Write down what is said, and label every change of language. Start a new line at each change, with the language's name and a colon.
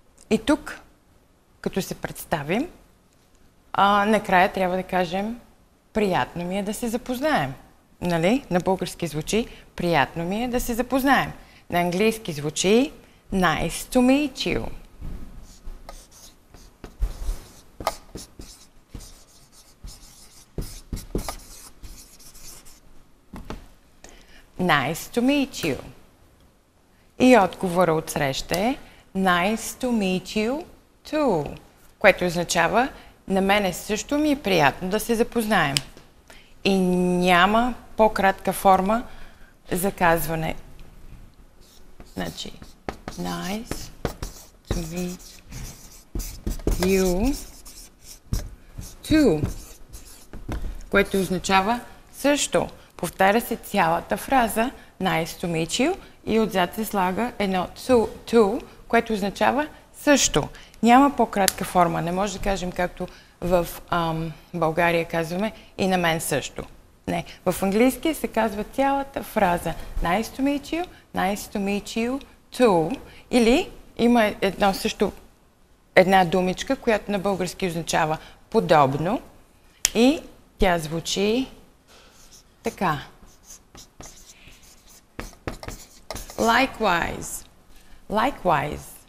Bulgarian: И тук, като се представим, накрая трябва да кажем приятно ми е да се запознаем. Нали? На български звучи приятно ми е да се запознаем. На английски звучи
English: nice to meet you. Nice to meet you.
Bulgarian: И отговора от среща е
English: nice to meet you too.
Bulgarian: Което означава на мене също ми е приятно да се запознаем. И няма по-кратка форма за казване. Значи,
English: nice to meet you too.
Bulgarian: Което означава също. Повтаря се цялата фраза
English: nice to meet you
Bulgarian: и отзад се слага едно to, което означава също. Няма по-кратка форма. Не може да кажем както в България казваме и на мен също. Не. В английски се казва цялата фраза
English: nice to meet you, nice to meet you too.
Bulgarian: Или има едно също една думичка, която на български означава подобно и тя звучи така.
English: Likewise. Likewise.